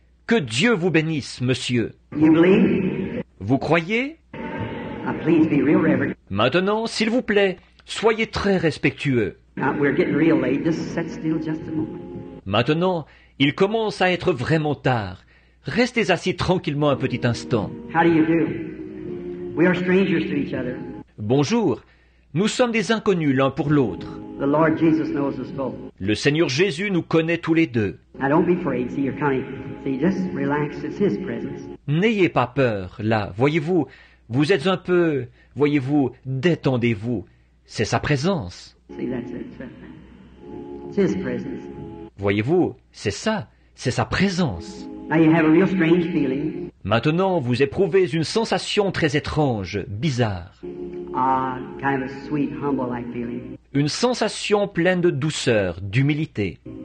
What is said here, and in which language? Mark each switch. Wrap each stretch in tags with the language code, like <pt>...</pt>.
<fr>Que Dieu vous bénisse, monsieur.</fr> <en>You believe?</en> <fr>Vous croyez?</fr> <en>Please be real reverent.</en> <fr>Maintenant, s'il vous plaît, soyez très respectueux.</fr> <en>Now, we're getting real late. Just sit still just a moment.</en> <fr>Maintenant, il commence à être vraiment tard. Restez assis tranquillement un petit instant.</fr> <en>How do you do? We are strangers to each other.</en> <fr>Bonjour. Nous sommes des inconnus l'un pour l'autre.</fr> <en>The Lord Jesus knows us both.</en> <fr>Le Seigneur Jésus nous connaît tous les deux.</fr> <en>Now, don't be afraid. See, you're coming. See, just relax. It's his presence.</en> <fr>N'ayez pas peur, là. Voyez-vous, vous êtes un peu, voyez-vous, détendez-vous. C'est sa présence.</fr> <en>See, that's it. It's his presence.</en> <fr>Voyez-vous, c'est ça. C'est sa présence.</fr> <en>Now, you have a real strange feeling.</en> <fr>Maintenant, vous éprouvez une sensation très étrange, bizarre.</fr> <en>Kind of a sweet, humble-like feeling.</en> <fr>Une sensation pleine de douceur, d'humilité.</fr>